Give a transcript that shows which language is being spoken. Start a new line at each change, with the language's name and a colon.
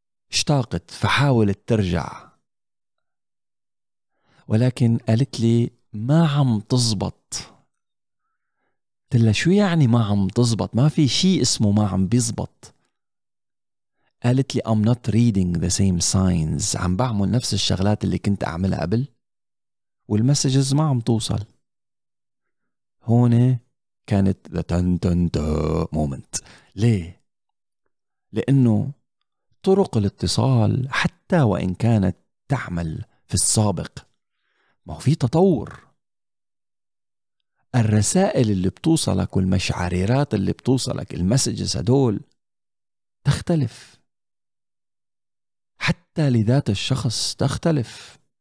Arabic: اشتاقت فحاولت ترجع, ولكن قالت لي ما عم تزبط. تلا شو يعني ما عم تزبط؟ ما في شيء اسمه ما عم بيزبط. قالت لي
English: I'm not reading the same signs,
Arabic: عم بعمل نفس الشغلات اللي كنت أعملها قبل والمسجز ما عم توصل. هون كانت
English: the tan tan tan moment.
Arabic: ليه؟ لأنه طرق الاتصال حتى وإن كانت تعمل في السابق, ما في تطور. الرسائل اللي بتوصلك والمشعريرات اللي بتوصلك المسجز هدول تختلف, حتى لذات الشخص تختلف.